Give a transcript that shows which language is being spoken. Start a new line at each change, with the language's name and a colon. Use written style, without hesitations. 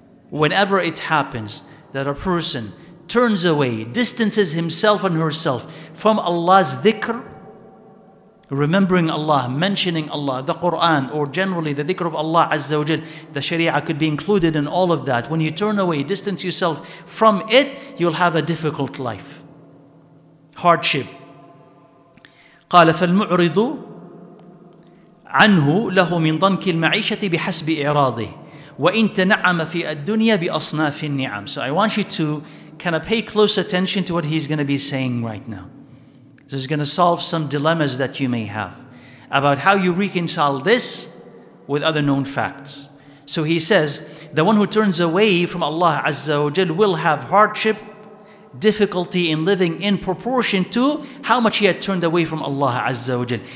English: Whenever it happens that a person turns away, distances himself and herself from Allah's dhikr, remembering Allah, mentioning Allah, the Quran, or generally the dhikr of Allah Azza wa Jal, the sharia could be included in all of that. When you turn away, distance yourself from it, you'll have a difficult life. Hardship.
Arabic: قال فالمعرض عنه له من ضنك المعيشة بحسب إعراضه وإن تنعم في الدنيا بأصناف النعم.
English: So I want you to kind of pay close attention to what he's going to be saying right now. This is going to solve some dilemmas that you may have about how you reconcile this with other known facts. So he says, the one who turns away from Allah Azza wa Jal will have hardship, difficulty in living in proportion to how much he had turned away from Allah Azza wa Jal.